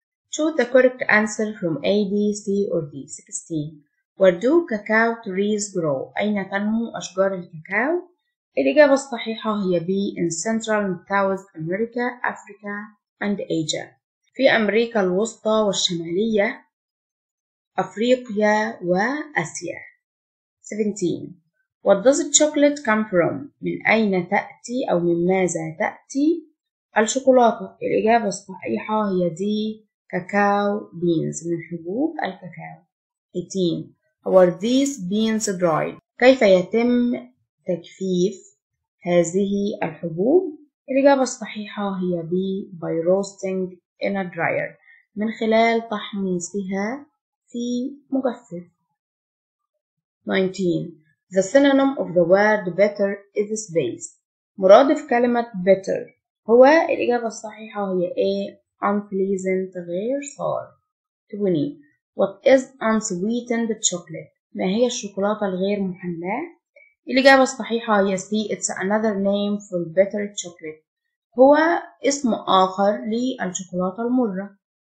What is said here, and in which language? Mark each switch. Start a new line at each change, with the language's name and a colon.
English: Choose the correct answer from A, B, C, or D. 16. Where do cacao trees grow?
Arabic: أين تنمو أشجار الكاكاو؟ الإجابة الصحيحة هي B.
English: In Central and South America, Africa, and Asia.
Arabic: في أمريكا الوسطى والشمالية، أفريقيا وآسيا.
English: 17. What does chocolate come from?
Arabic: من أين تأتي أو من ماذا تأتي الشوكولاتة؟ الإجابة الصحيحة هي D.
English: Cacao beans،
Arabic: من حبوب الكاكاو.
English: 18. How are these beans dried؟
Arabic: كيف يتم تجفيف هذه الحبوب؟ الإجابة الصحيحة هي B.
English: By roasting in a dryer،
Arabic: من خلال تحميصها في مجفف.
English: 19. The synonym of the word bitter is space.
Arabic: مرادف كلمة bitter هو الإجابة الصحيحة هي A. Unpleasant، غير سار. 20. What is unsweetened chocolate؟ ما هي الشوكولاتة الغير محلاة؟ الإجابة الصحيحة هي C.
English: It's another name for bitter chocolate،
Arabic: هو اسم آخر للشوكولاتة المرة.